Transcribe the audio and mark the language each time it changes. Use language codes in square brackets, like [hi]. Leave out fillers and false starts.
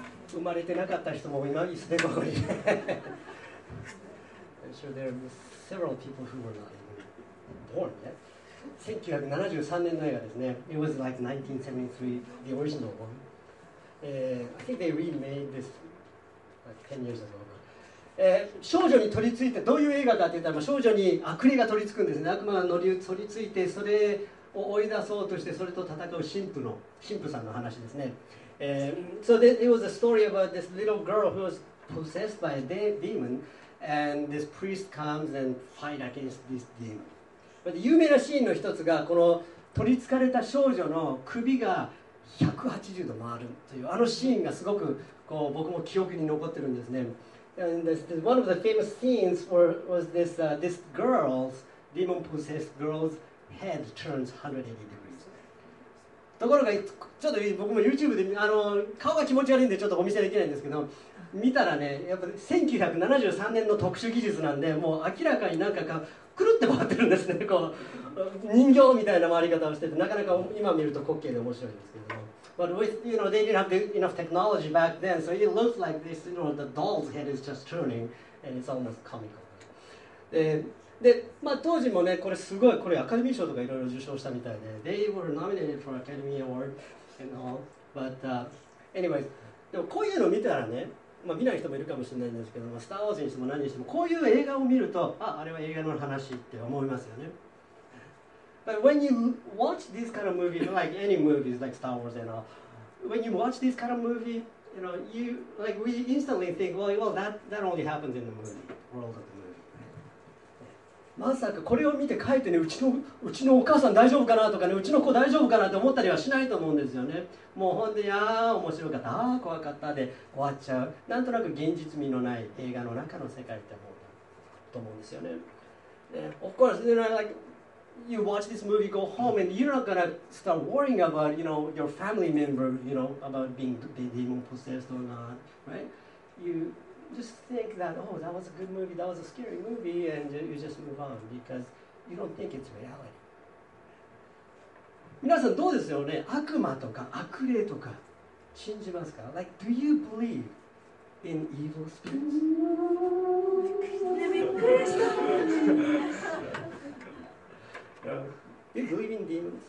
[ja] 生まれてなかった人もいますね、ここに。 [en] I'm sure there are several people who were not even born yet. [ja] 1973年の映画ですね。 [en] It was like 1973, the original one. I think they remade this like 10 years ago. [ja] 少女に取り付いて、どういう映画かって言ったら、少女に悪霊が取り付くんですね。悪魔が乗り取り付いて、それを追い出そうとして、それと戦う神父さんの話ですね。 [en] So it was a story about this little girl who was possessed by a demon, and this priest comes and fight against this demon. [ja] But 有名なシーンの一つが、この取り付かれた少女の首が180度回るというあのシーンがすごくこう僕も記憶に残ってるんですね。 [en] And this, one of the famous scenes was this, this girl's, demon possessed girl's head turns 180 degrees. [ja] ところがちょっと僕も YouTube で顔が気持ち悪いんでちょっとお見せできないんですけど、見たらね、やっぱ1973年の特殊技術なんで、もう明らかになんかがくるって回ってるんですね。こう人形みたいな回り方をしてて、なかなか今見ると滑稽で面白いんですけども。 [en] But with, you know, they didn't have enough technology back then, so it looks like this, you know, the doll's head is just turning, and it's almost comical. [ja] で、まあ当時もね、これすごい、これアカデミー賞とかいろいろ受賞したみたいで、 [en] They were nominated for Academy Award and all, but anyways, [ja] でもこういうの見たらね、まあ、見ない人もいるかもしれないんですけども、スター・ウォーズにしても何にしても、こういう映画を見ると、あれは映画の話って思いますよね。 [en] But when you watch this kind of movie, like any movies, like Star Wars and all, when you watch this kind of movie, you know, you, like, we instantly think, well, that only happens in the movie, world of the movie. [ja] まさかこれを見て帰ってね、うちのお母さん大丈夫かなとかね、うちの子大丈夫かなって思ったりはしないと思うんですよね。もう本当に、面白かった、怖かったで終わっちゃう。なんとなく現実味のない映画の中の世界って思うと思うんですよね。 [en] Of course, you know, like,You watch this movie, go home, and you're not gonna start worrying about, you know, your family member, you know, about being demon possessed or not, right? You just think that, oh, that was a good movie, that was a scary movie, and you just move on because you don't think it's reality. [ja] 皆さんどうですよね？悪魔とか悪霊とか信じますか？ [en] Like, do you believe in evil spirits? You believe in demons?